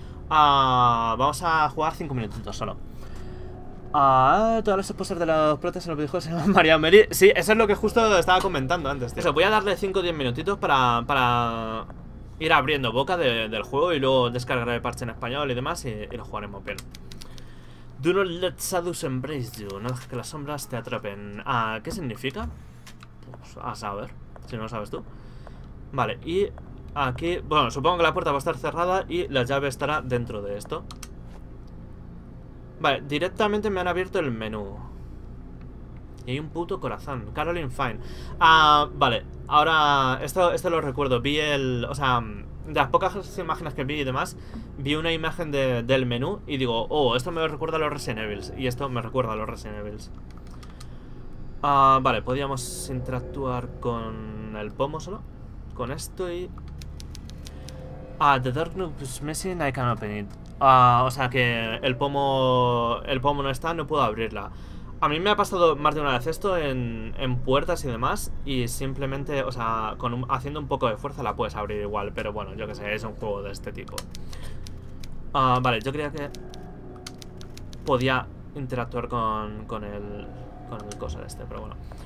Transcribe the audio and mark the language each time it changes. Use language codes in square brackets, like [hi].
[es] Vamos a jugar 5 minutitos solo. Todas las esposas de los protas en los videojuegos se llaman María Mary. Sí, eso es lo que justo estaba comentando antes, tío. Eso, voy a darle 5 o 10 minutitos para ir abriendo boca del juego y luego descargar el parche en español y demás y lo jugaremos bien. [en] Do not let shadows embrace you. [es] No dejes que las sombras te atrapen. ¿Qué significa? Pues a saber, si no lo sabes tú. Vale, y aquí, bueno, supongo que la puerta va a estar cerrada y la llave estará dentro de esto. Vale, directamente me han abierto el menú. Y hay un puto corazón. Caroline Fine. Ah, vale. Ahora, esto lo recuerdo. Vi o sea, de las pocas imágenes que vi y demás, vi una imagen del menú y digo, oh, esto me recuerda a los Resident Evil. Y esto me recuerda a los Resident Evil. Ah, vale, podíamos interactuar con el pomo solo. Con esto y. [en] Ah, the door knob is missing, I can't open it. [es] O sea que el pomo no está, no puedo abrirla. A mí me ha pasado más de una vez esto en puertas y demás. Y simplemente, o sea, haciendo un poco de fuerza la puedes abrir igual. Pero bueno, yo qué sé, es un juego de este tipo. Vale, yo creía que podía interactuar con el coso de este, pero bueno.